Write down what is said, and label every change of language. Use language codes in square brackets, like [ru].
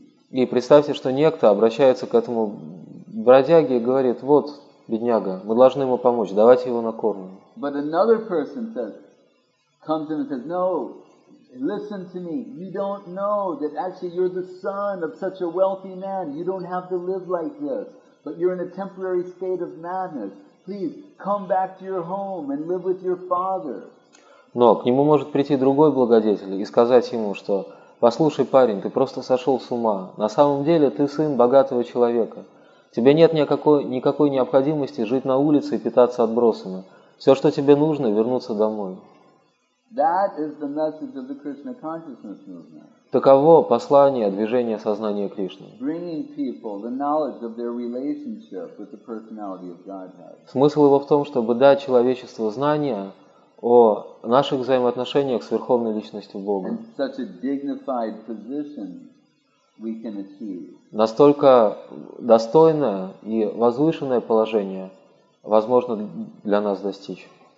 [ru] И представьте, что некто обращается к этому бродяге и говорит, вот, бедняга, мы должны ему помочь, давайте его накормим. [en] But another person says, comes in and says, no, listen to me. You don't know that actually you're the son of such a wealthy man. You don't have to live like this. But you're in a temporary state of madness. Please come back to your home and live with your father. [ru] Но к нему может прийти другой благодетель и сказать ему, что «Послушай, парень, ты просто сошел с ума. На самом деле ты сын богатого человека. Тебе нет никакой необходимости жить на улице и питаться отбросами. Все, что тебе нужно, вернуться домой». [en] That is the message of the Krishna consciousness movement. [ru] Таково послание движения сознания Кришны. [en] Bringing people the knowledge of their relationship with the personality of Godhead. [ru] Смысл его в том, чтобы дать человечеству знания о наших взаимоотношениях с Верховной Личностью Бога. [en] In such a dignified position we can achieve. [ru] Настолько достойное и возвышенное положение возможно для нас достичь.